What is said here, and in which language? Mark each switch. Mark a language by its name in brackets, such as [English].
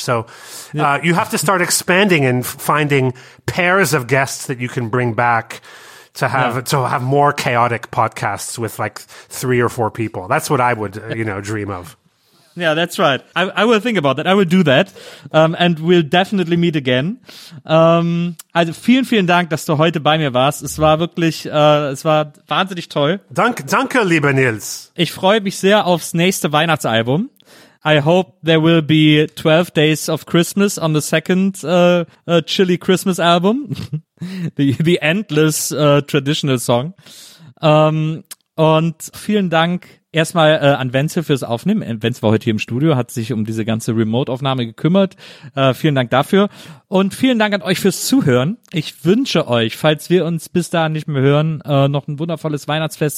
[English] So you have to start expanding and finding pairs of guests that you can bring back to have to have more chaotic podcasts with like three or four people. That's what I would dream of. Yeah, that's right. I will think about that. I will do that. And we'll definitely meet again. [German] Also vielen, vielen Dank, dass du heute bei mir warst. Es war wirklich, es war wahnsinnig toll. Danke, lieber Nils. Ich freue mich sehr aufs nächste Weihnachtsalbum. [English] I hope there will be 12 Days of Christmas on the second Chili Christmas album. the endless traditional song. [German] Und vielen Dank erstmal an Wenzel fürs Aufnehmen. Wenzel war heute hier im Studio, hat sich um diese ganze Remote-Aufnahme gekümmert. Vielen Dank dafür. Und vielen Dank an euch fürs Zuhören. Ich wünsche euch, falls wir uns bis dahin nicht mehr hören, noch ein wundervolles Weihnachtsfest.